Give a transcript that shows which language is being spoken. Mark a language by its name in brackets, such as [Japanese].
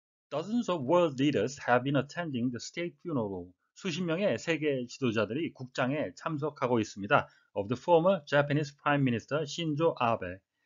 [English] Dozens of world leaders have been attending the state funeral. [Korean] 수십 명의 세계 지도자들이 국장에 참석하고 있습니다. [English] Of the former Japanese Prime Minister Shinzo Abe.